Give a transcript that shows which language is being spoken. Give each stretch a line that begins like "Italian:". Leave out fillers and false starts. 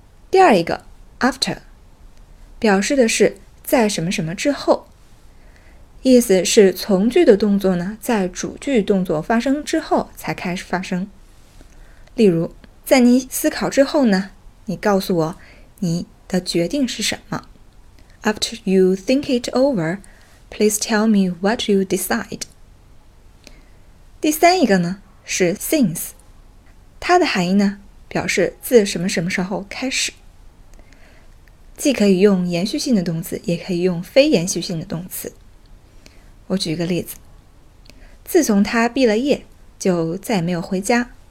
Chinese: 第二一个 after 表示的是在什么什么之后，意思是从句的动作呢在主句动作发生之后才开始发生。例如，在你思考之后呢，你告诉我你的决定是什么。
English: After you think it over, please tell me what you decide。
Chinese: 第三一个呢是 since， 它的含义呢表示自什么什么时候开始，既可以用延续性的动词，也可以用非延续性的动词。我举一个例子，自从他毕了业就再也没有回家。